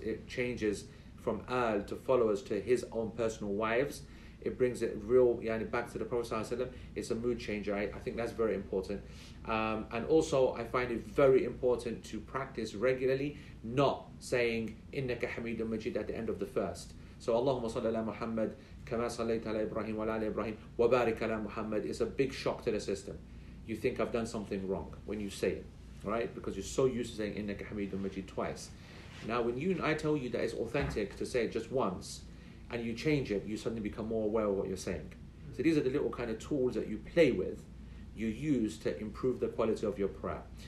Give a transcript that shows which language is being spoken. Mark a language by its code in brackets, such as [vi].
[en] It changes from Al to followers to his own personal wives. It brings it real, yani, back to the Prophet. It's a mood changer. I think that's very important. And also, I find it very important to practice regularly, not saying [ar] إِنَّكَ حَمِيدٌ مَجِيدٌ [en] at the end of the first. [ar] So اللهم صل على محمد كما صليت على إبراهيم وعلى آل إبراهيم وبارك على محمد [en] is a big shock to the system. You think I've done something wrong when you say it, right? Because you're so used to saying [ar] إِنَّكَ حَمِيدٌ مَجِيدٌ [en] twice. Now, when you and I tell you that it's authentic to say it just once, and you change it, you suddenly become more aware of what you're saying. So these are the little kind of tools that you play with, you use to improve the quality of your prayer.